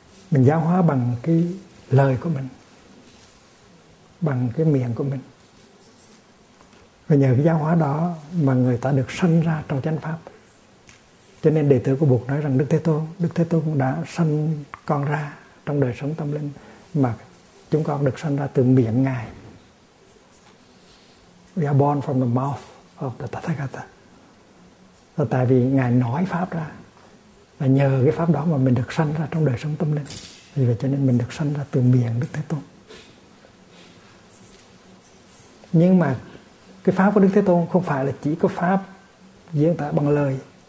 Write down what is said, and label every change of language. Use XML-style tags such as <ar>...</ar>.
<vi>Mình giáo hóa bằng cái lời của mình, bằng cái miệng của mình. Và nhờ cái giáo hóa đó mà người ta được sanh ra trong chánh pháp. Cho nên đệ tử của Bụt nói rằng Đức Thế Tôn đã sanh con ra trong đời sống tâm linh, mà chúng con được sanh ra từ miệng Ngài.</vi> <en>We are born from the mouth of the Tathagata.</en> <vi>Là tại vì Ngài nói pháp ra, là nhờ cái pháp đó mà mình được sanh ra trong đời sống tâm linh. Vì vậy cho nên mình được sanh ra từ miệng Đức Thế Tôn. Nhưng mà cái pháp của Đức Thế Tôn không phải là chỉ có pháp diễn tả bằng lời.</vi>